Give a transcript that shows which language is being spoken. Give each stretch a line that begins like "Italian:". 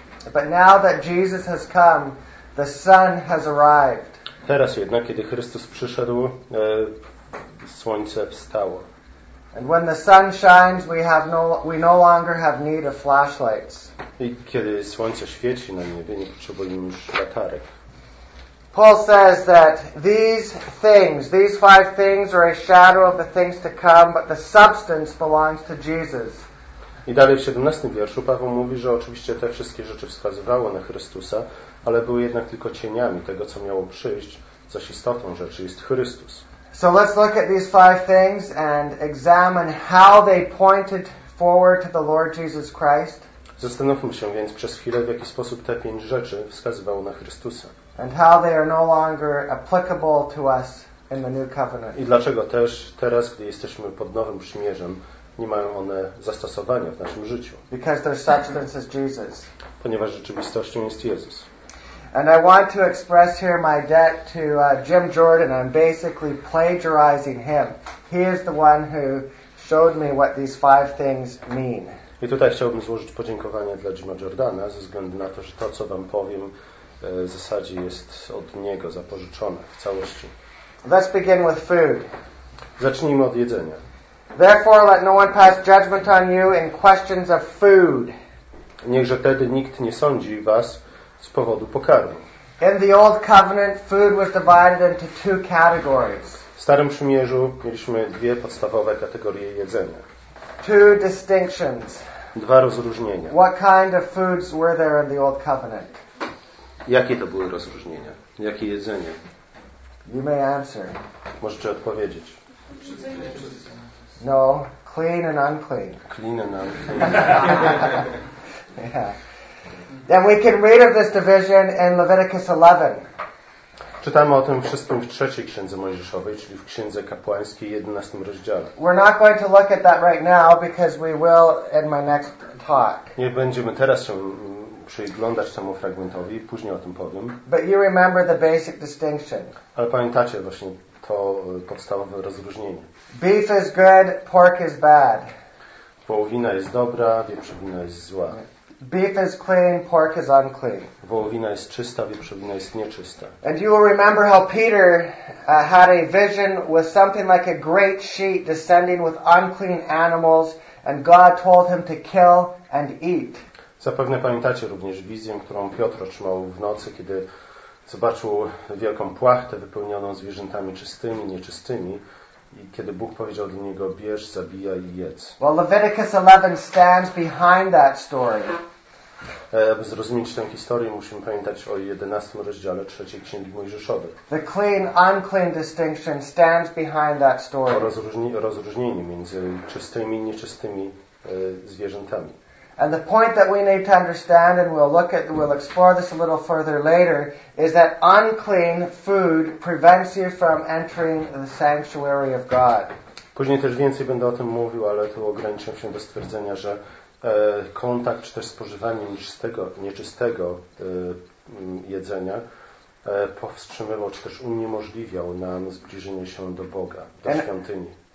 English: But now that Jesus has come, the sun has arrived.
Polish: Teraz jednak, kiedy Chrystus przyszedł, słońce wstało.
English: And when the sun shines, we no longer have need of flashlights.
Polish: I kiedy słońce świeci na niebie, nie potrzebujemy już latarek.
English: Paul says that these five things are a shadow of the things to come, but the substance belongs to Jesus.
Polish: I dalej w 17 wierszu Paweł mówi, że oczywiście te wszystkie rzeczy wskazywały na Chrystusa, ale były jednak tylko cieniami tego, co miało przyjść, zaś istotą rzeczy jest Chrystus.
English: So let's look at these five things and examine how they pointed forward to the Lord Jesus Christ.
Polish: Zastanówmy się więc przez chwilę, w jaki sposób te pięć rzeczy wskazywały na Chrystusa.
English: And how they are no longer applicable to us in the new covenant.
Polish: I dlaczego też teraz, gdy jesteśmy pod nowym przymierzem, nie mają one zastosowania w naszym życiu?
English: Because their substance is Jesus.
Polish: Ponieważ rzeczywistością jest Jezus.
English: And I want to express here my debt to Jim Jordan. I'm basically plagiarizing him. He is the one who showed me what these five things mean.
Polish: I tutaj chciałbym złożyć podziękowania dla Jima Jordana ze względu na to, że to, co wam powiem, w zasadzie jest od Niego zapożyczone w całości.
English: Let's begin with food.
Polish: Zacznijmy od jedzenia.
English: Therefore, let no one pass judgment on you in questions of food.
Polish: Niechże tedy nikt nie sądzi was z powodu pokarmu.
English: In the Old Covenant, food was divided into two categories.
Polish: W Starym Przymierzu mieliśmy dwie podstawowe kategorie jedzenia.
English: Two distinctions.
Polish: Dwa rozróżnienia.
English: What kind of foods were there in the Old Covenant?
Polish: Jakie to były rozróżnienia? Jakie jedzenie?
English: You may answer.
Polish: Możecie odpowiedzieć.
English: No, clean and unclean. Clean and unclean. Yeah. And we can read of this division in Leviticus 11.
Polish: Czytamy o tym wszystkim w trzeciej Księdze Mojżeszowej, czyli w Księdze Kapłańskiej, 11 rozdziale.
English: We're not going to look at that right now because we will in my next talk.
Polish: Nie będziemy teraz się przyglądać temu fragmentowi, później o tym powiem.
English: But you remember the basic distinction.
Polish: Ale pamiętacie właśnie to podstawowe rozróżnienie.
English: Beef is good, pork is bad.
Polish: Wołowina jest dobra, wieprzowina jest zła.
English: Beef is clean, pork is unclean.
Polish: Wołowina jest czysta, wieprzowina jest nieczysta.
English: And you will remember how Peter had a vision with something like a great sheet descending with unclean animals, and God told him to kill and eat.
Polish: Zapewne pamiętacie również wizję, którą Piotr otrzymał w nocy, kiedy zobaczył wielką płachtę wypełnioną zwierzętami czystymi, nieczystymi, i kiedy Bóg powiedział do niego: bierz, zabijaj i jedz.
English: Well, Leviticus 11 stands behind that story.
Polish: Aby zrozumieć tę historię, musimy pamiętać o 11 rozdziale trzeciej Księgi Mojżeszowej.
English: The clean, unclean distinction stands behind that story.
Polish: Rozróżnienie między czystymi i nieczystymi zwierzętami.
English: And the point that we need to understand, and we'll explore this a little further later, is that unclean food prevents you from entering the sanctuary of God.
Polish: Później też więcej będę o tym mówił, ale tu ograniczę się do stwierdzenia, że kontakt czy też spożywanie nieczystego jedzenia powstrzymywał czy też uniemożliwiał nam zbliżenie się do Boga, do świątyni.